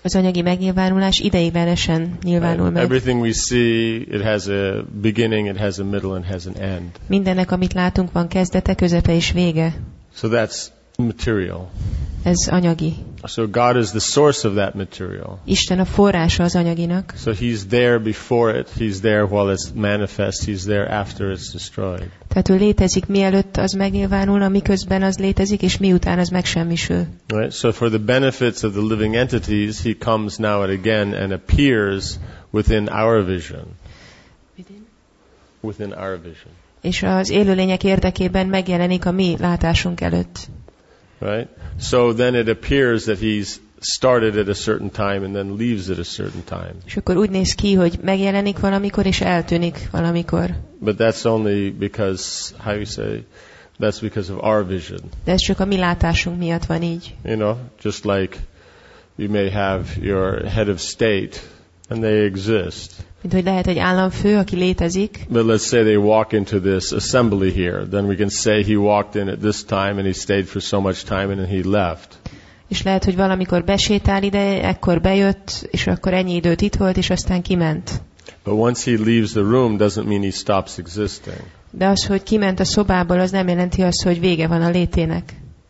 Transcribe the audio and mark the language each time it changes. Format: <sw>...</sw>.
<hu>Az anyagi megnyilvánulás ideiglenesen nyilvánul meg.</hu> <en>Everything we see, it has a beginning, it has a middle, and has an end.</en> <hu>Mindennek, amit látunk, van kezdete, közepe és vége.</hu> <en>So that's material.</en> <hu>Ez anyagi.</hu> <en>So God is the source of that material.</en> <hu>Isten a forrása az anyaginak.</hu> <en>So he's there before it, he's there while it's manifest, he's there after it's destroyed.</en> <hu>Tehát ő létezik mielőtt az megnyilvánulna, miközben az létezik, és miután az megsemmisül.</hu> <en>Right? So for the benefits of the living entities, he comes now and again and appears within our vision. Within our vision.</en> <hu>És az élőlények érdekében megjelenik a mi látásunk előtt.</hu> <en>Right? So then it appears that he's started at a certain time and then leaves at a certain time.</en> <hu>És akkor úgy néz ki, hogy megjelenik valamikor és eltűnik valamikor.</hu> <en>But that's only because, how you say, that's because of our vision.</en> <hu>De ez csak a mi látásunk miatt van így.</hu> <en>You know, just like you may have your head of state and they exist.</en> <hu>Mint hogy lehet egy államfő, aki létezik.</hu> <en>But let's say they walk into this assembly here, then we can say he walked in at this time and he stayed for so much time and then he left.</en> <hu>És lehet, hogy valamikor besétál ide, ekkor bejött, és akkor ennyi időt itt volt, és aztán kiment.</hu> <en>But once he leaves the room, doesn't mean he stops existing.</en> <hu>De az, hogy kiment a szobából, az nem jelenti azt, hogy vége van a létének.</hu>